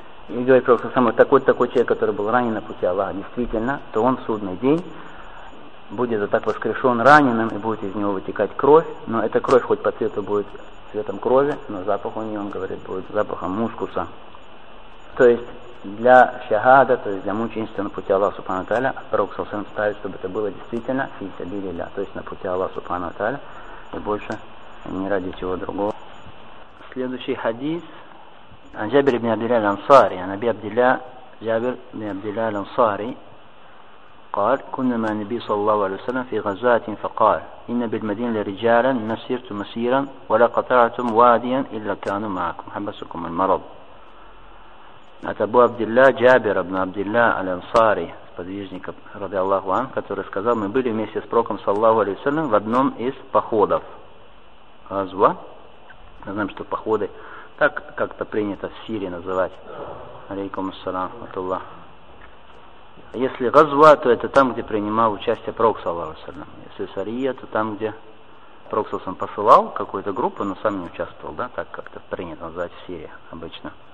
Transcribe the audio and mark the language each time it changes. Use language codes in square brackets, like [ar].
[ru] И говорит просто самый такой человек, который был ранен на пути Аллаха, действительно, то он в судный день будет так воскрешен раненым, и будет из него вытекать кровь, но эта кровь хоть по цвету будет цветом крови, но запах у нее, он говорит, будет запахом мускуса. То есть для шахада, то есть для мученичества на пути Аллаха Субхану Тааля, Пророк Саусам ставит, чтобы это было действительно фи сабилилля, то есть на пути Аллаха Субхану Тааля, и больше не ради чего другого. Следующий хадис. [ar] عن جابر بن عبد الله الأنصاري عن أبي عبد الله جابر بن عبد الله الأنصاري قال كنا مع النبي صلى الله عليه وسلم في غزاة فقال إن بالمدينة رجالا ما سيرتم مسيرا ولا قطعتم واديا إلا كانوا معكم حبسكم المرض. أتى أبو عبد الله جابر بن عبد الله الأنصاري [ru] سподвижник [ar] رضي الله عنه [ru] который сказал мы были вместе с пророком [ar] صلى الله عليه وسلم [ru] в одном из походов غزوة. Мы знаем, что походы так как-то принято в Сирии называть. [ar] Алейкум ассалам, ватуллах. [ru] Если газва, то это там, где принимал участие Пророк, саллаху алейхи ва саллям. Если сария, то там, где Пророк, саллаху алейхи ва саллям, посылал какую-то группу, но сам не участвовал, да, так как-то принято называть в Сирии обычно.